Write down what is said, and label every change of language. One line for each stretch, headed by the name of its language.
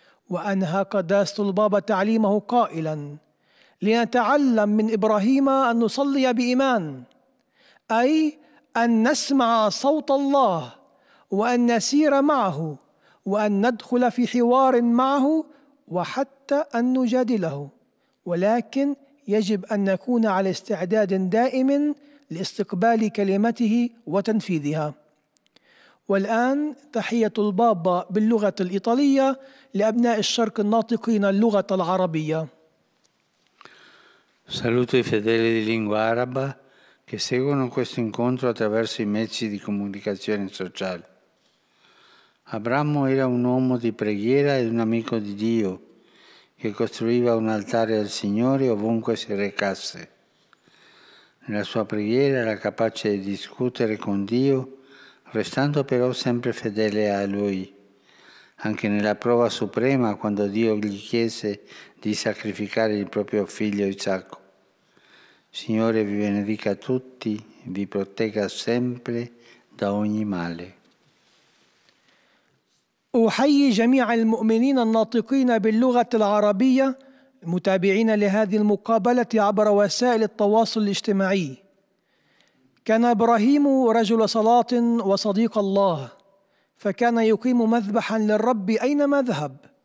Arabic: وأنهى قداسة البابا تعليمه قائلا: لنتعلم من إبراهيم أن نصلي بإيمان، أي أن نسمع صوت الله وأن نسير معه وأن ندخل في حوار معه وحتى أن نجادله، ولكن يجب أن نكون على استعداد دائم لاستقبال كلمته وتنفيذها. والآن تحية البابا باللغة الإيطالية لأبناء الشرق الناطقين اللغة العربية.
Italian: Saluto i fedeli di lingua araba che seguono questo incontro attraverso i mezzi di comunicazione sociale. Abramo era un uomo di preghiera ed un amico di Dio che costruiva un altare al Signore ovunque si recasse. Nella sua preghiera era capace di discutere con Dio, restando però sempre fedele a Lui. anche nella prova suprema quando Dio gli chiese di sacrificare il proprio figlio Isacco. Signore, vi benedica tutti, vi protegga sempre da ogni male.
Arabic: أحيي جميع المؤمنين الناطقين باللغة العربية متابعين لهذه المقابلة عبر وسائل التواصل الاجتماعي. كان إبراهيم رجل صلاة وصديق الله، فكان يقيم مذبحا للرب أينما ذهب.